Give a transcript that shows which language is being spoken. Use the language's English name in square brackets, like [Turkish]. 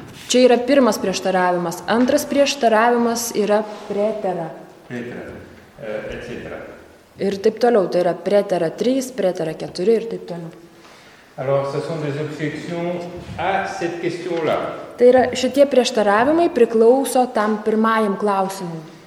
[Lithuanian] Čia yra pirmas prieštaravimas. Antras prieštaravimas yra pretera. [Latin] Pretera. Et cetera. [Lithuanian] Ir taip toliau, tai yra pretera 3, pretera 4 ir taip toliau. [French] Alors, ce sont des objections à cette question-là. [Lithuanian] Tai yra, šitie prieštaravimai priklauso tam pirmajam klausimui.